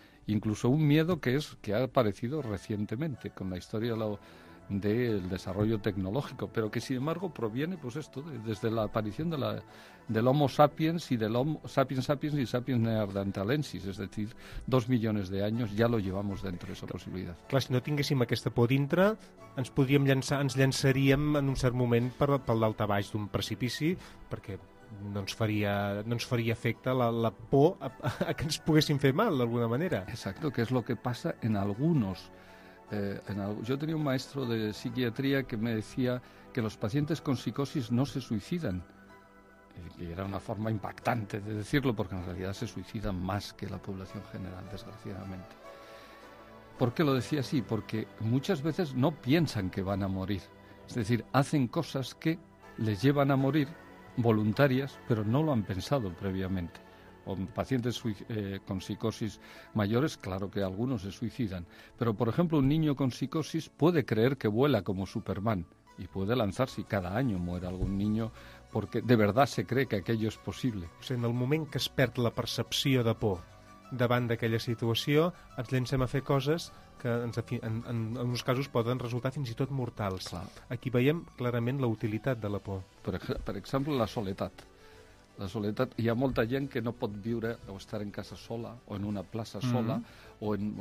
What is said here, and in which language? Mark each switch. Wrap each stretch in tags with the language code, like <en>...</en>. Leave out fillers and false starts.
<es>Incluso un miedo que ha aparecido recientemente con la historia del desarrollo tecnológico, pero que sin embargo proviene pues esto desde la aparición del Homo sapiens y del Homo sapiens sapiens y sapiens neandertalensis, es decir,</es> <ca>2 milions d'anys ja</ca> <es>lo llevamos dentro esa possibilitat.</es> <ca>Clar, si no tinguéssim aquesta por dintre, ens llançaríem en un cert moment per l'altabaix d'un precipici, perquè no ens faria efecte la por a que ens poguéssim fer mal d'alguna manera.</ca> <es>Exacto, que es lo que pasa en algunos. Yo tenía un maestro de psiquiatría que me decía que los pacientes con psicosis no se suicidan. Y era una forma impactante de decirlo, porque en realidad se suicidan más que la población general, desgraciadamente. ¿Por qué lo decía así? Porque muchas veces no piensan que van a morir. Es decir, hacen cosas que les llevan a morir, voluntarias, pero no lo han pensado previamente. O pacientes con psicosis mayores, claro que algunos se suicidan. Pero, por ejemplo, un niño con psicosis puede creer que vuela como Superman y puede lanzarse, y cada año muere algún niño porque de verdad se cree que aquello es posible.</es> <ca>O sea, en el moment que es perd la percepció de por davant d'aquella situació, ens llencem a fer coses que en uns casos poden resultar fins i tot mortals. Clar. Aquí veiem clarament la utilitat de la por. Per exemple, la soledat. La soledat, hi ha molta gent que no pot viure o estar en casa sola, o en una plaça sola, mm-hmm.</ca>